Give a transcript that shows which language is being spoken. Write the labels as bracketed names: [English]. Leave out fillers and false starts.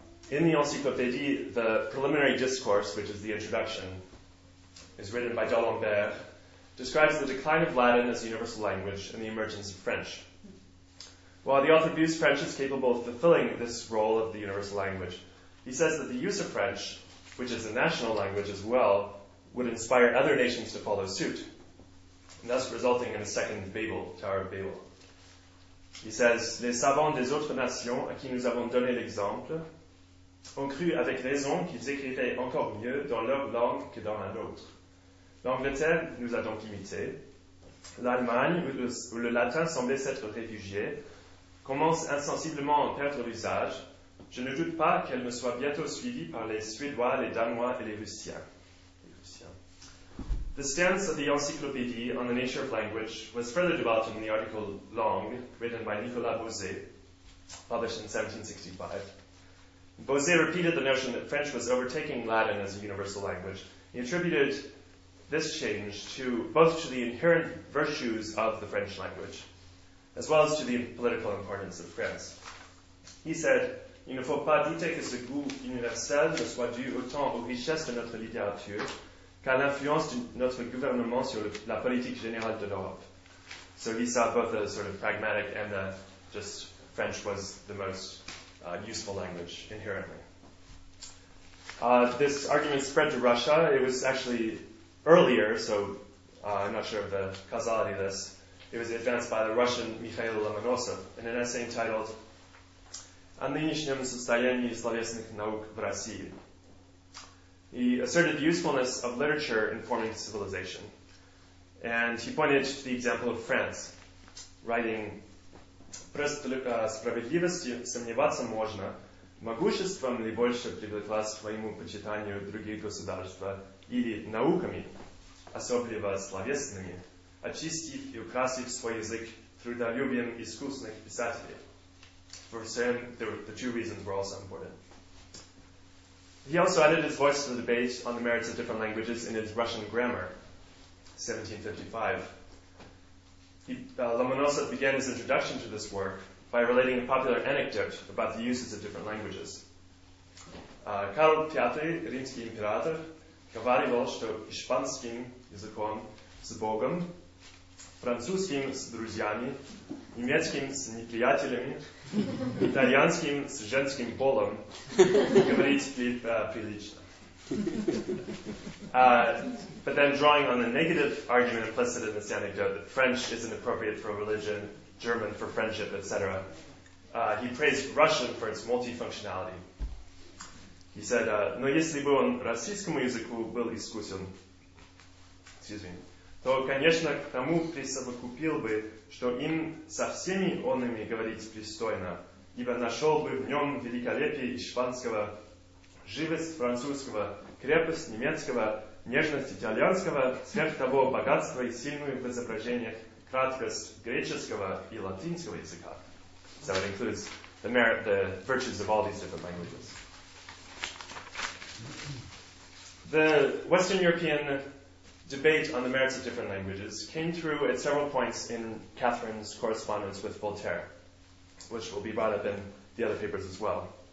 [English] In the Encyclopédie, the preliminary discourse, which is the introduction, is written by D'Alembert, describes the decline of Latin as a universal language and the emergence of French. While the author views French as capable of fulfilling this role of the universal language, he says that the use of French, which is a national language as well, would inspire other nations to follow suit, and thus resulting in a second Babel, Tower of Babel. He says, [French] les savants des autres nations à qui nous avons donné l'exemple ont cru avec raison qu'ils écrivaient encore mieux dans leur langue que dans la nôtre. L'Angleterre nous a donc imité. L'Allemagne, où le latin semblait s'être réfugié, commence insensiblement à en perdre l'usage. Je ne doute pas qu'elle ne soit bientôt suivie par les Suédois, les Danois et les Russiens. [English] The stance of the Encyclopédie on the nature of language was further developed in the article Langue, written by Nicolas Bauzet, published in 1765. Bauzet repeated the notion that French was overtaking Latin as a universal language. He attributed this change to both to the inherent virtues of the French language, as well as to the political importance of France. He said, [French] il ne faut pas douter que ce goût universel ne soit dû autant aux richesses de notre littérature qu'à l'influence de notre gouvernement sur la politique générale de l'Europe. [English] So he saw both the sort of pragmatic and the just French was the most useful language inherently. This argument spread to Russia. It was actually earlier, so I'm not sure of the causality of this. It was advanced by the Russian Mikhail Lomonosov in an essay entitled [Russian] «О нынешнем состоянии словесных наук в России». [English] He asserted the usefulness of literature in forming civilization. And he pointed to the example of France, writing [Russian] «Просто только справедливостью сомневаться можно, могуществом ли больше привлеклась своему почитанию другие государства или науками, особливо словесными, очистив и украсив свой язык трудолюбием искусных писателей». [English] For him, the two reasons were also important. He also added his voice to the debate on the merits of different languages in his Russian Grammar, 1755. Lomonosov began his introduction to this work by relating a popular anecdote about the uses of different languages. [Russian] Карл V, римский император, говорил, что испанским языком с Богом, французским с друзьями, немецким с неприятелями, итальянским с женским полом говорить прилично. [English] But then drawing on the negative argument implicit in this anecdote that French isn't appropriate for religion, German for friendship, etc., he praised Russian for its multifunctionality. He said, [Russian] «Но если бы он российскому языку был искусен, то, конечно, к тому присовокупил бы, что им со всеми онными говорить пристойно, ибо нашел бы в нем великолепие испанского, живость французского, крепость немецкого, нежность итальянского, сверх того богатство и сильную в изображениях краткость греческого и латинского языка». [English] So it includes the merit, the virtues of all these different languages. The Western European debate on the merits of different languages came through at several points in Catherine's correspondence with Voltaire, which will be brought up in the other papers as well.